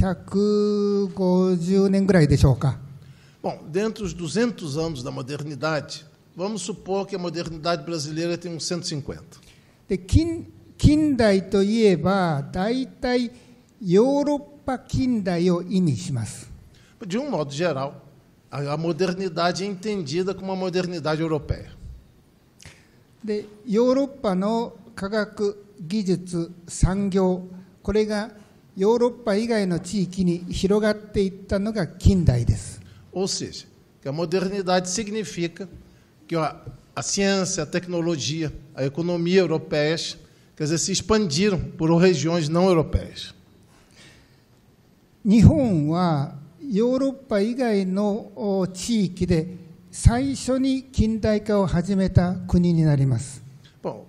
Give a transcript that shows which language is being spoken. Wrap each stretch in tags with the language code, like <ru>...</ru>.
<ja>近代という、まあ、200年ぐらいの歴史の中で、ブラジルの近代は150年ぐらいでしょうか?</ja> <pt>Bom, dentro dos 200 anos da modernidade, vamos supor que a modernidade brasileira tem uns 150.</pt> <ja>De 近代といえば大体ヨーロッパ近代を意味します.</ja> <pt>De um modo geral, a modernidade é entendida como a modernidade europeia.</pt> <ja>でヨーロッパの科学技術産業これがヨーロッパ以外の地域に広がっていったのが近代です.</ja> <pt>Ou seja, que a modernidade significa que a ciência, a tecnologia, a economia europeias, quer dizer, se expandiram por regiões não europeias. Bom,</pt>